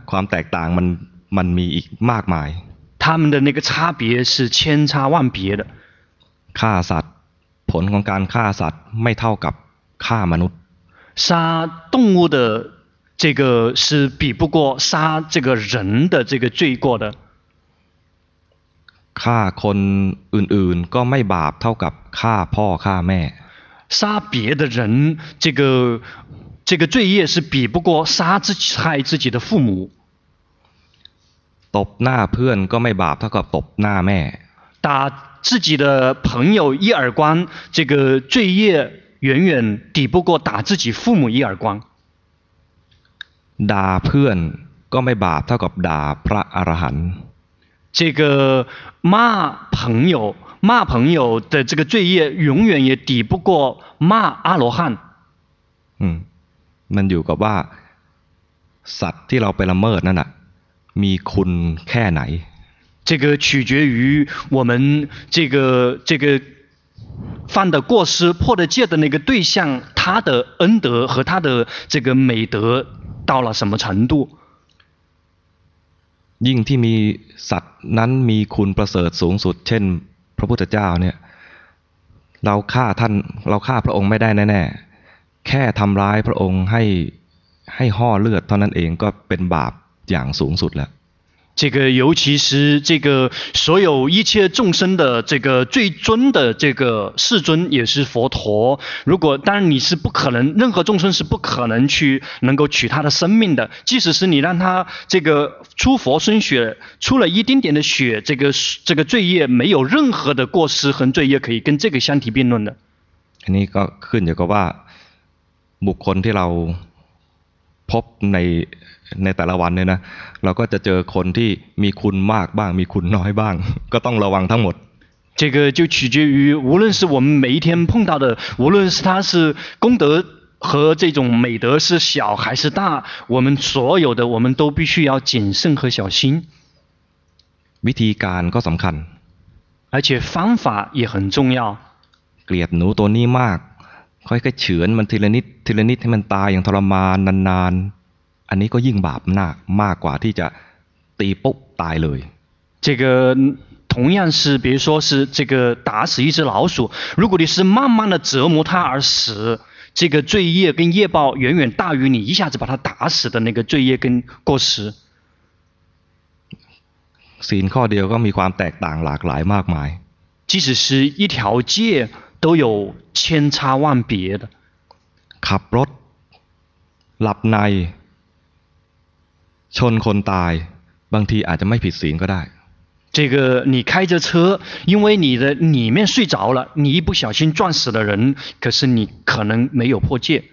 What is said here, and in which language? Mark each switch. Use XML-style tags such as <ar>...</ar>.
<th>ความแตกต่างมันมีอีกมากมาย</th> <zh>他们的那个差别是千差万别的</zh> <th>ฆ่าสัตว์ผลของการฆ่าสัตว์ไม่เท่ากับฆ่ามนุษย์</th> <zh>杀动物的这个是比不过杀这个人的这个罪过的</zh> <th>ฆ่าคนอื่นๆก็ไม่บาปเท่ากับฆ่าพ่อฆ่าแม่</th> <zh>杀别的人这个罪业是比不过杀自己害自己的父母</zh> <th>ตบหน้าเพื่อนก็ไม่บาปเท่ากับตบหน้าแม่</th> <zh>打自己的朋友一耳光这个罪业远远抵不过打自己父母一耳光</zh> <th>ด่าเพื่อนก็ไม่บาปเท่ากับด่าพระอรหันต์</th> <zh>这个骂朋友，骂朋友的这个罪业永远也抵不过骂阿罗汉。</zh> <th>嗯，มันอยู่กับว่าสัตว์ที่เราไปละเมิดนั่นน่ะมีคุณแค่ไหน。</th> <zh>这个取决于我们这个犯的过失破的戒的那个对象，他的恩德和他的这个美德到了什么程度。</zh> <th>ยิ่งที่มีสัตว์นั้นมีคุณประเสริฐสูงสุดเช่นพระพุทธเจ้าเนี่ยเราฆ่าท่านเราฆ่าพระองค์ไม่ได้แน่ๆแค่ทำร้ายพระองค์ให้ห่อเลือดเท่านั้นเองก็เป็นบาปอย่างสูงสุดแล้ว</th> <zh>这个尤其是这个所有一切众生的这个最尊的这个世尊也是佛陀，如果当然你是不可能，任何众生是不可能去能够取他的生命的，即使是你让他这个出佛身血，出了一丁点的血，这个罪业没有任何的过失和罪业可以跟这个相提并论的。</zh> <th>นี่ก็ขึ้นอยู่กับว่าบุคคลที่เราพบในแต่ละวันเนี่ยนะเราก็จะเจอคนที่มีคุณมากบ้างมีคุณน้อยบ้างก็ต้องระวังทั้งหมด</th> <zh>这个就取决于无论是我们每一天碰到的无论是他是功德和这种美德是小还是大我们所有的我们都必须要谨慎和小心</zh> <th>วิธีการก็สำคัญ</th> <zh>而且方法也很重要</zh> <th>เกลียดหนูตัวนี้มากค่อยๆเฉือนมันทีละนิดทีละนิดให้มันตายอย่างทรมานนานอันนี้ก็ยิ่งบาปหนักมากกว่าที่จะตีปุ๊บตายเลย</th> <zh>这个同样是比如说是这个打死一只老鼠如果你是慢慢的折磨它而死这个罪业跟业报远远大于你一下子把它打死的那个罪业跟过失</zh> <th>ศีลข้อเดียวก็มีความแตกต่างหลากหลายมากมาย</th> <zh>即使是一条戒都有千差万别的</zh> <th>ขับรถหลับในชนคนตายบางทีอาจจะไม่ผิดศีลก็ได้</th> <zh>这个你开着车因为你的里面睡着了你一不小心撞死了人可是你可能没有破戒</zh>